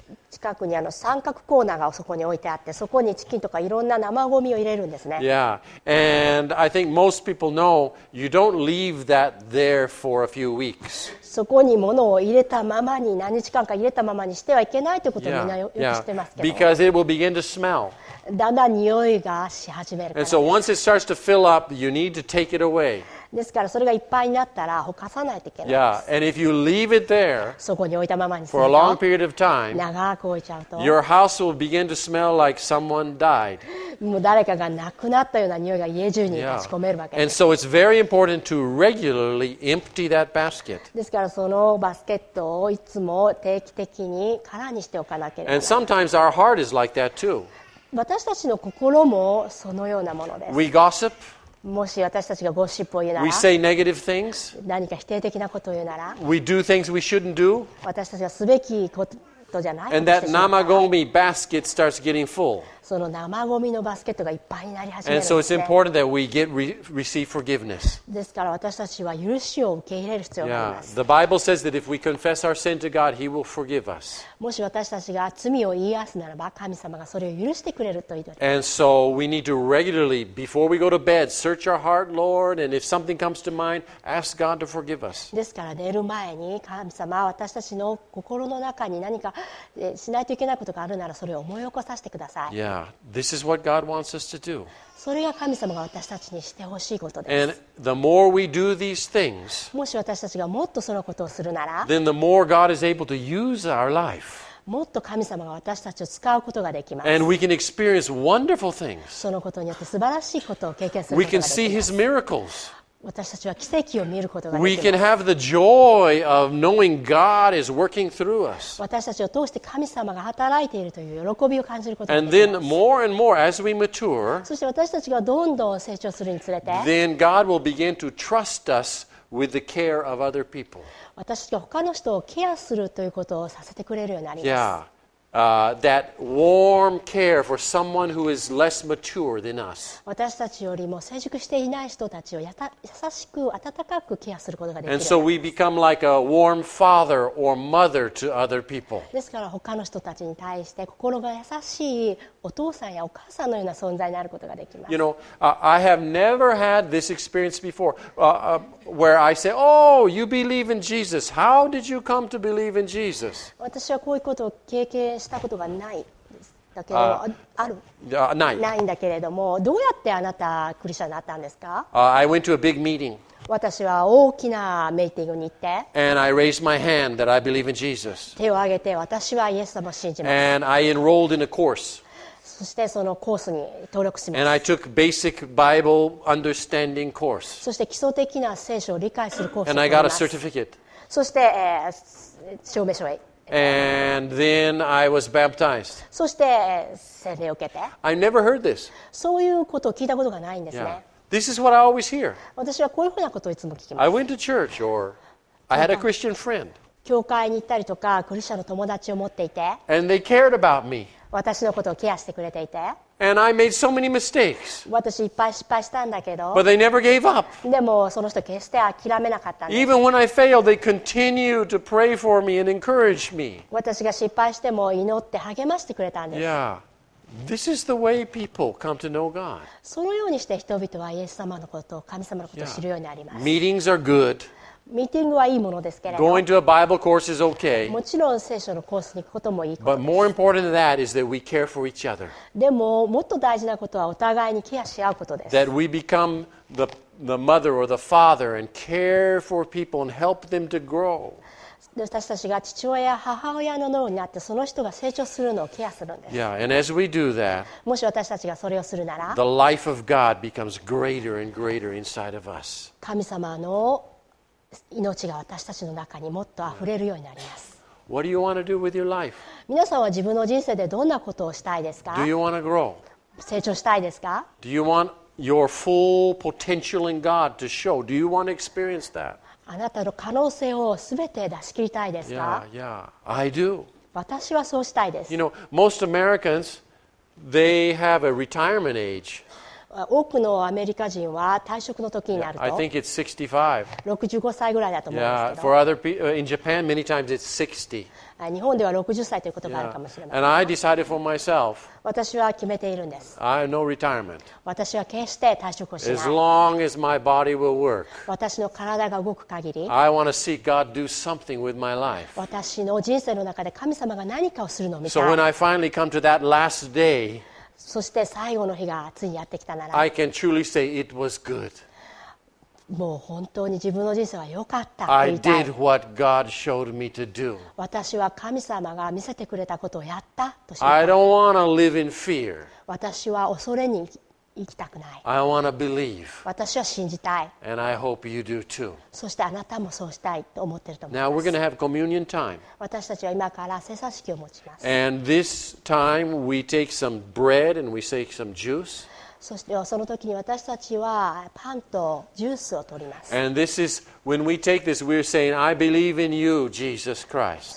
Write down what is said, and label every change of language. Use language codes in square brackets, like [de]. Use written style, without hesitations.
[ja] 近くにあの三角コーナーがそこに置いてあって、そこにチキンとかいろんな生ゴミを入れるんですね。 [en] Yeah, and I think most people know you don't leave that there for a few weeks. [ja] そこに物を入れたままに何日間か入れたままにしてはいけないということをみんなよく知ってますけど。 [en] Because it will begin to smell. [ja] だんだん匂いがし始めるから。 [en] And so once it starts to fill up, you need to take it away. [ja] ですからそれがいっぱいになったらほかさないといけないです。 [en] Yeah, and if you leave it there, [ja] そこに置いたままにするの、 [en] for a long period of time, [ja] 長く置いちゃうと、 [en] your house will begin to smell like someone died. [ja] もう誰かが亡くなったような匂いが家中に立ち込めるわけです。 [en] And so it's very important to regularly empty that basket. [ja] ですからそのバスケットをいつも定期的に空にしておかなければ。 [en] And sometimes our heart is like that too. [ja] 私たちの心もそのようなものです。 [en] We gossip. [ja] もし私たちがゴシップを言うなら [en] We say negative things. [ja] 何か否定的なことを言うなら [en] We do things we shouldn't do. [ja] 私たちがすべきことじゃない [en] And that 生ゴミ basket starts getting full. [ja] その生ゴミのバスケットがいっぱいになり始めるんですね。 [en] And so it's important that we get receive forgiveness. [ja] ですから私たちは許しを受け入れる必要があります。 [en] Yeah. The Bible says that if we confess our sin to God, He will forgive us. [ja] もし私たちが罪を言い合わすならば、神様がそれを許してくれると言っています [en] 。And so we need to regularly, before we go to bed, search our heart, Lord, and if something comes to mind, ask God to forgive us. [ja] ですから寝る前に神様は私たちの心の中に何かしないといけないことがあるならそれを思い起こさせてください。 [en] Yeah. This is what God wants us to do. [ja] それが神様が私たちにしてほしいことです。 [en] And the more we do these things, [ja] もし私たちがもっとそのことをするなら、 [en] then the more God is able to use our life. [ja] もっと神様が私たちを使うことができます。 [en] And we can experience wonderful things. [ja] そのことによって素晴らしいことを経験することができます。 [en] We can see His miracles. [ja] 私たちは奇跡を見ることができます。 [en] We can have the joy of knowing God is working through us. [ja] 私たちを通して神様が働いているという喜びを感じることができます。 [en] And then more and more as we mature, [ja] そして私たちがどんどん成長するにつれて、 [en] then God will begin to trust us with the care of other people. [ja] 私たちが他の人をケアするということをさせてくれるようになります。 [en] Yeah. That warm care for someone who is less mature than us. [ja] 私たちよりも成熟していない人たちを優しく温かくケアすることができる。 [en] And so we become like a warm father or mother to other people. [ja] ですから他の人たちに対して心が優しいお父さんやお母さんのような存在になることができます。 [en] You know, I have never had this experience before, where I say, "Oh, you believe in Jesus. How did you come to believe in Jesus?" [ja] 私はこういうことを経験したことがないだけど、ある。ない。ないんだけれども、どうやってあなたクリスチャンになったんですか？ [en] I went to a big meeting. [ja] 私は大きなミーティングに行って、 [en] and I raised my hand that I believe in Jesus. [ja] 手を挙げて私はイエス様を信じます。 [en] and I enrolled in a course. [ja] そしてそのコースに登録します。 [en] And I took basic Bible understanding course. [ja] そして基礎的な聖書を理解するコースを取ります。 [en] And I got a certificate. [ja] そして、証明書へ。 [en] And then I was baptized. [ja] そして、洗礼を受けて。 [en] I never heard this. [ja] そういうことを聞いたことがないんですね。 [en] Yeah. This is what I always hear. [ja] 私はこういうふうなことをいつも聞きます。 [en] I went to church or I had a Christian friend. [ja] 教会に行ったりとか、クリスチャンの友達を持っていて。 [en] And they cared about me. [ja] 私のことをケアしてくれていて。 [en] And I made so many mistakes. [ja] 私いっぱい失敗したんだけど。 [en] But they never gave up. [ja] でもその人決して諦めなかったんです。 [en] Even when I failed, they continued to pray for me and encourage me. [ja] 私が失敗しても祈って励ましてくれたんです。 [en] Yeah. This is the way people come to know God. [ja] そのようにして人々はイエス様のこと、神様のことを知るようになります。 [en] Yeah. Meetings are good. [ja] ミーティングはいいものですけれど、 [en] Going to a Bible course is okay. [ja] もちろん聖書のコースに行くこともいいことです。 [en] But more important than that is that we care for each other. [ja] でももっと大事なことはお互いにケアし合うことです。 [en] That we become the mother or the father and care for people and help them to grow. [ja] 私たちが父親や母親の脳になってその人が成長するのをケアするんです。 [en] Yeah, and as we do that, [ja] もし私たちがそれをするなら、 [en] The life of God becomes greater and greater inside of us. [ja] 神様の命が私たちの中にもっと溢れるようになります。 [en] What do you want to do with your life? [ja] 皆さんは自分の人生でどんなことをしたいですか? [en] Do you want to grow? [ja] 成長したいですか? [en] Do you want your full potential in God to show? Do you want to experience that? [ja] あなたの可能性を全て出し切りたいですか? [en] Yeah, yeah, I do. [ja] 私はそうしたいです。 [en] You know, most Americans, they have a retirement age. [ja] 多くのアメリカ人は退職の時になると、 [en] yeah, I think it's 65. [ja] 65歳ぐらいだと思うんですけど、 [en] yeah, for other people, in Japan, many times it's 60. [ja] 日本では60歳ということがあるかもしれません。 [en] Yeah. And I decided for myself, [ja] 私は決めているんです。 [en] I have no retirement. [ja] 私は決して退職をしない。 [en] As long as my body will work, [ja] 私の体が動く限り、 [en] I want to see God do something with my life. [ja] 私の人生の中で神様が何かをするのを見たい。 [en] So when I finally come to that last day, [ja] そして最後の日がついにやってきたなら、 [en] I can truly say it was good. [ja] もう本当に自分の人生は良かった。 [en] I did what God showed me to do. [ja] 私は神様が見せてくれたことをやったとした。 [en] I don't want to live in fear. [ja] 私は恐れに生きたくない。 [en] I want to believe. [ja] 私は信じたい。 [en] And I hope you do too. [ja] そしてあなたもそうしたいと思ってると思います。 [en] Now we're going to have communion time. [ja] 私たちは今から聖餐式を持ちます。 [en] And this time we take some bread and we take some juice. [ja] そしてその時に私たちはパンとジュースを取ります。 [en] And this is when we take this, we're saying, I believe in you, Jesus Christ.